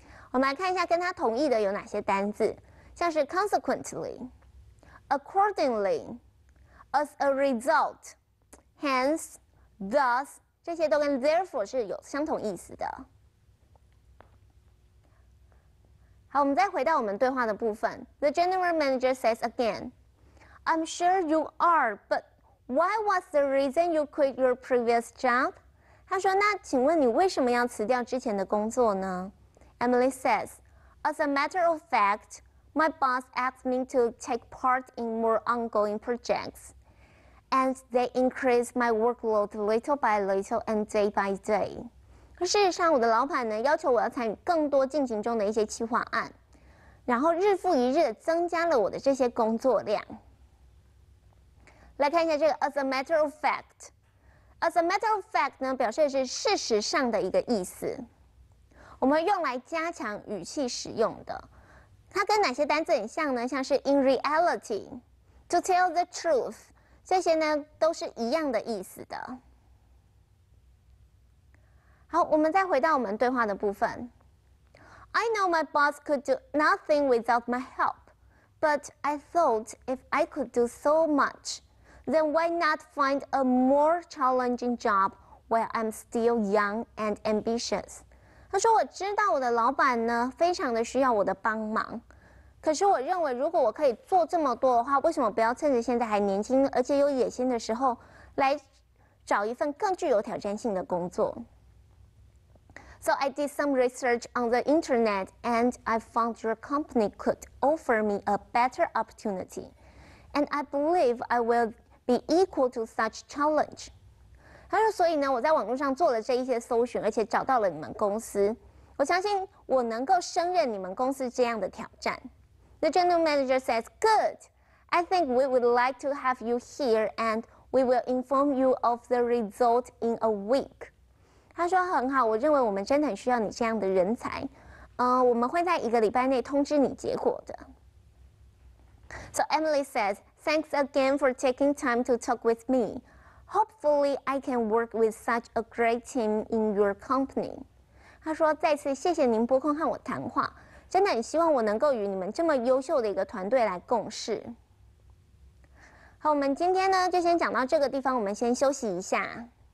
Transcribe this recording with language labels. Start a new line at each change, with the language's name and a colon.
Chinese: 我们来看一下跟他同意的有哪些单字，像是 consequently、accordingly、as a result、hence、thus， 这些都跟 therefore 是有相同意思的。好，我们再回到我们对话的部分。
English: The general manager says again. I'm sure you are, but why was the reason you quit your previous job?
Chinese: 他说，那请问你为什么要辞掉之前的工作呢？
English: Emily says, as a matter of fact, my boss asked me to take part in more ongoing projects, and they increased my workload little by little and day by day.
Chinese: 事实上，我的老板呢，要求我要参与更多进行中的一些企划案，然后日复一日地增加了我的这些工作量。来看一下这个 as a matter of fact， as a matter of fact 呢，表示的是事实上的一个意思。我们用来加强语气使用的，它跟哪些单字很像呢？像是
English: in reality, to tell the truth,
Chinese: 这些呢都是一样的意思的。好，我们再回到我们对话的部分。
English: I know my boss could do nothing without my help, but I thought if I could do so much, then why not find a more challenging job while I'm still young and ambitious?
Chinese: 他说我知道我的老板呢非常的需要我的帮忙，可是我认为如果我可以做这么多的话，为什么不要趁着现在还年轻而且有野心的时候来找一份更具有挑战性的工作。
English: So I did some research on the internet and I found your company could offer me a better opportunity. And I believe I will be equal to such challenge.
Chinese: 他说所以呢我在网络上做了这一些搜寻而且找到了你们公司。我相信我能够胜任你们公司这样的挑战。
English: The general manager says, good. I think we would like to have you here and we will inform you of the result in a week.
Chinese: 他说很好，我认为我们真的很需要你这样的人才，我们会在一个礼拜内通知你结果的。
English: So Emily says, thanks again for taking time to talk with me. Hopefully I can work with such a great team in your company.
Chinese: 他说再次谢谢您拨空和我谈话，真的很希望我能够与你们这么优秀的一个团队来共事。好，我们今天呢就先讲到这个地方，我们先休息一下。